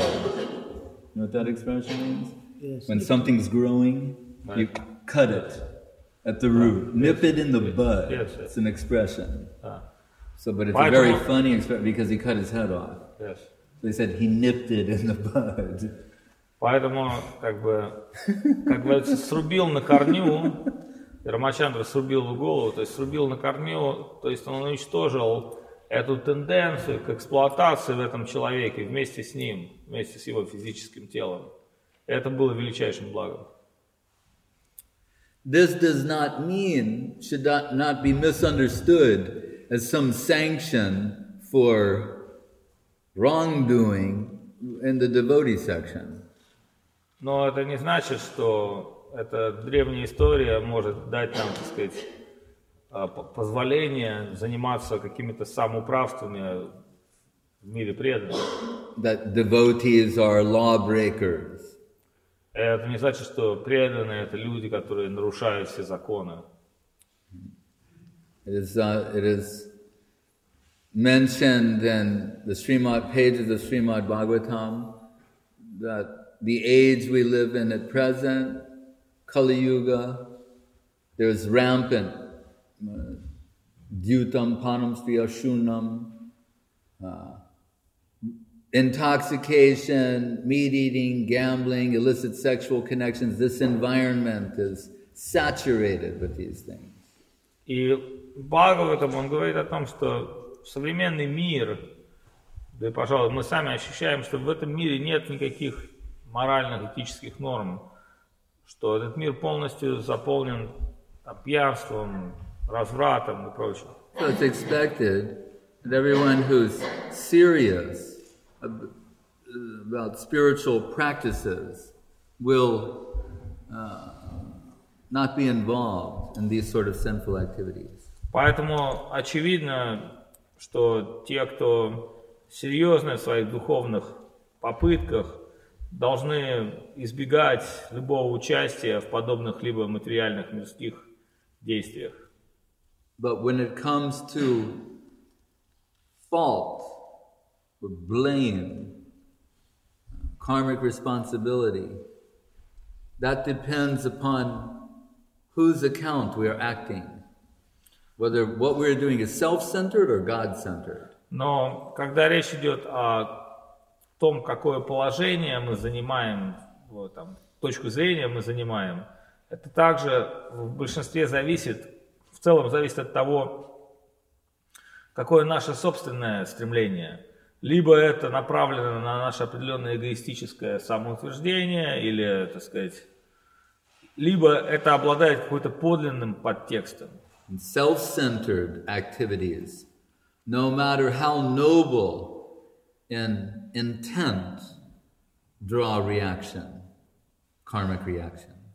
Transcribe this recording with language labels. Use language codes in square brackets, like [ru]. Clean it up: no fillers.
[en] You know what that expression means? Yes. When something's growing, right, you cut it at the root. Yes. Nip it in the bud. Yes. Yes. It's an expression. So, but it's a very funny expression because he cut his head off. Yes. They said he nipped it in the bud. [ru] Поэтому, как говорится, срубил на корню, Рамачандра срубил в голову, то есть срубил на корню, то есть он уничтожил эту тенденцию к эксплуатации в этом человеке вместе с ним, вместе с его физическим телом. Это было величайшим благом. [en] This does not mean, should not be misunderstood as some sanction for wrongdoing in the devotee section. [ru] Но это не значит, что эта древняя история может дать нам, так сказать, позволение заниматься какими-то самоуправствами в мире преданных. [en] That devotees are lawbreakers. [ru] Это не значит, что преданные — это люди, которые нарушают все законы. [en] It is mentioned in the Srimad pages of Srimad Bhagavatam that the age we live in at present, Kali Yuga, there is rampant dyutam panam sriya shunam, intoxication, meat eating, gambling, illicit sexual connections. This environment is saturated with these things. [ru] И Бхагаватам он говорит о том, что современный мир, да и, пожалуй, мы сами ощущаем, что в этом мире нет никаких моральных, этических норм, что этот мир полностью заполнен там пьянством, развратом и прочим. [en] So it's expected that everyone who's serious about spiritual practices will not be involved in these sort of sinful activities. [ru] Поэтому очевидно, что те, кто серьезны в своих духовных попытках, должны избегать любого участия в подобных либо материальных мирских действиях. [en] But when it comes to fault or blame, karmic responsibility, that depends upon whose account we are acting. Whether what we're doing is self-centered or God-centered. [ru] Но когда речь идет о том, какое положение мы занимаем, вот, там, точку зрения мы занимаем, это также в большинстве зависит, в целом зависит от того, какое наше собственное стремление. Либо это направлено на наше определенное эгоистическое самоутверждение, или, так сказать, либо это обладает какой-то подлинным подтекстом. [en] And self-centered activities, no matter how noble in intent, draw reaction, karmic reaction.